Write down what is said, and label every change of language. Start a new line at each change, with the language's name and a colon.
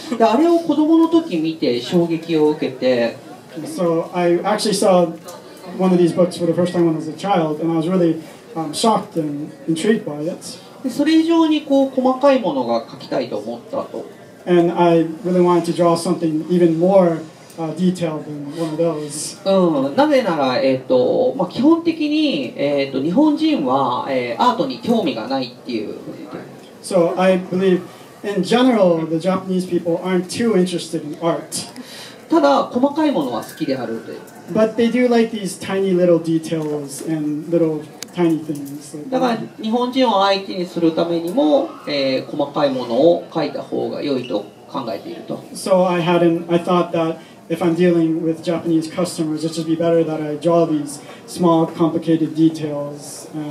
Japanese: あれを子供の時見て衝撃を受けて、
English: So, I actually saw one of these books for the first time when I was a child, and I was really... shocked and intrigued by it.
Japanese: それ以上にこう細かいものが描きたいと思ったと。
English: And I really wanted to draw something even more detailed than one of those.
Japanese: なぜなら、まあ、基本的に、日本人は、アートに興味がないっていう。
English: So I believe in general the Japanese people aren't too interested in art.
Japanese: ただ細かいものは好きであるという。
English: But they do like these tiny little details and little
Japanese: だから日本人を相手にするためにも、細かいものを描いた方が良いと考えていると。
English: So I thought that if I'm dealing with Japanese customers, it should be better that I draw these small, complicated details.